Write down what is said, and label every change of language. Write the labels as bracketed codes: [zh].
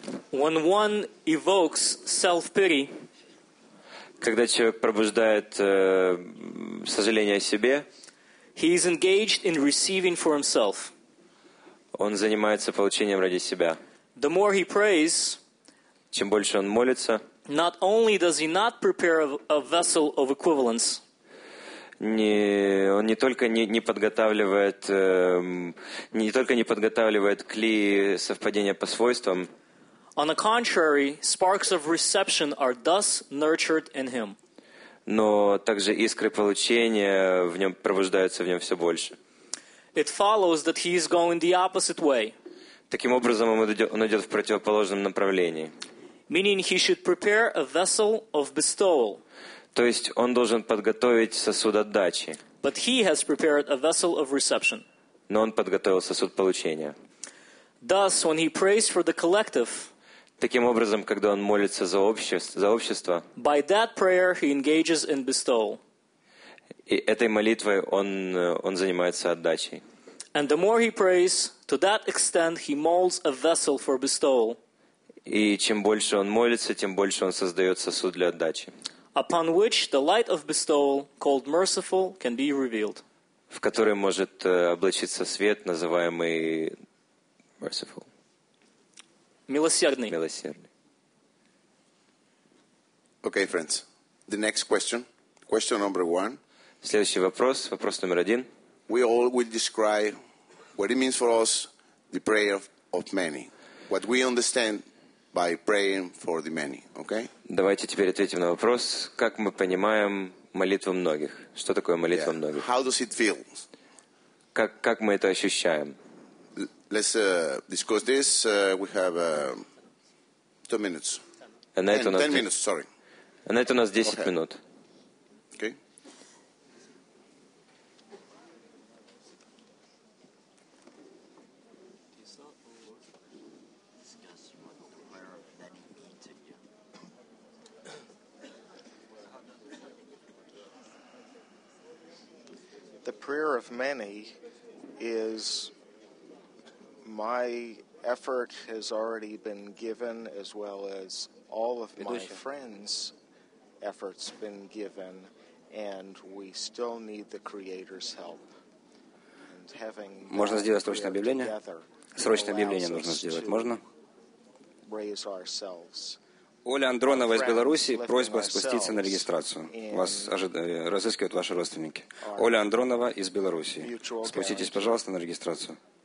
[en] When one evokes self-pity, [ru] когда человек пробуждает сожаление о себе, [en] he is engaged in receiving for himself. [ru] Он занимается получением ради себя. [en] The more he prays, [ru] чем больше он молится, [en] not only does he not prepare a vessel of equivalence, [ru] он не только не подготавливает клей совпадения по свойствам. [en] On the contrary, sparks of reception are thus nurtured in him. [ru] Но также искры получения в нем пробуждаются в нем все больше. [en] It follows that he is going the opposite way. [ru] Таким образом, он идет в противоположном направлении. [en] Meaning he should prepare a vessel of bestowal. [ru] То есть он должен подготовить сосуд отдачи. [en] But he has prepared a vessel of reception. [ru] Но он подготовил сосуд получения. [en] Thus, when he prays for the collective, [ru] таким образом, когда он молится за общество, [en] by that prayer he engages in bestowal. [ru] И этой молитвой он занимается отдачей. [en] And the more he prays, to that extent he molds a vessel for bestowal. [ru] И чем больше он молится, тем больше он создает сосуд для отдачи. [en] Upon which the light of bestowal, called merciful, can be revealed. [ru] В который может облачиться свет, называемый [en] merciful. [ru] Милосердный. Милосердный. [en] Okay, friends. The next question. Question number one. [ru] Следующий вопрос. Вопрос номер один. [en] We all will describe what it means for us the prayer of many. What we understand by praying for the many. Okay? [ru] Давайте теперь ответим на вопрос, как мы понимаем молитву многих. Что такое молитва многих? [en] How does it feel? [ru] Как мы это ощущаем? [en] Let's discuss this. We have 2 minutes. Ten minutes. [ru] А на это у нас 10 минут. [en] Okay. The prayer of many is my effort has already been given, as well as all of my friends' efforts been given, and we still need the Creator's help. And having [ru] можно сделать срочное объявление? Срочное объявление нужно сделать. Можно? [en] Raise ourselves. [ru] Оля Андронова из Беларуси, просьба спуститься на регистрацию. Вас разыскивают ваши родственники. Оля Андронова из Беларуси, спуститесь, пожалуйста, на регистрацию.